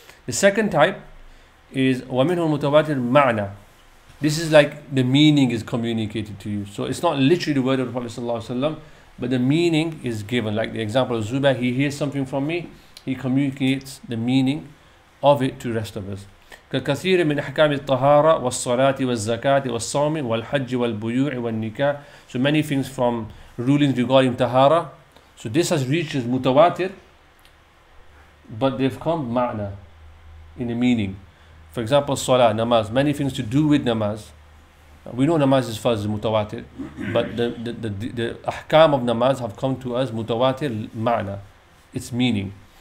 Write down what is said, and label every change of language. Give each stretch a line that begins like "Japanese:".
English: The second type is
Arabic: wa minhu mutawatir ma'na.
English: This is like the meaning is communicated to you. So it's not literally the word of the Prophet sallallahu alayhi wa sallam, but the meaning is given. Like the example of Zubair, he hears something from me, he communicates the meaning of it to the rest of us.
Arabic: كثير من أحكام الطهارة والصلاة والزكاة والصوم والحج والبيوع والنكاح.
English: So many things from rulings regarding tahara. So this has reached as mutawatir, but they've come ma'na, in the meaning. For example, salah, namaz, many things to do with namaz. We know namaz is first mutawatir, but the ahkam of namaz have come to us mutawatir ma'na, its meaning.